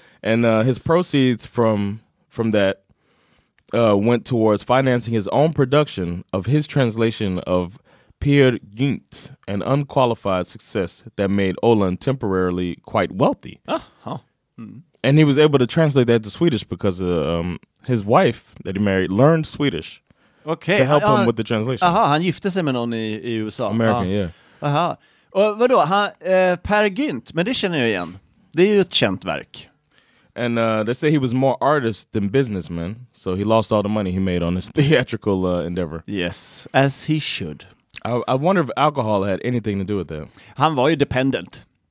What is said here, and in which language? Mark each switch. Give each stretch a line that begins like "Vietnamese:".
English: And his proceeds from that went towards financing his own production of his translation of Peer Gynt, an unqualified success that made Ölund temporarily quite wealthy. Uh-huh. Mm-hmm. And he was able to translate that to Swedish because his wife that he married learned Swedish. Okay. To help him with the translation.
Swedish: Aha, han gifte sig med någon i USA.
English: American, yeah.
Swedish: Aha. Och vadå? Peer Gynt, men det känner jag igen. Det är ju ett känt verk.
English: And they say he was more artist than businessman, so he lost all the money he made on his theatrical endeavor. Yes, as he should. I wonder if alcohol had anything to do with that.
Swedish: Han var ju dependent.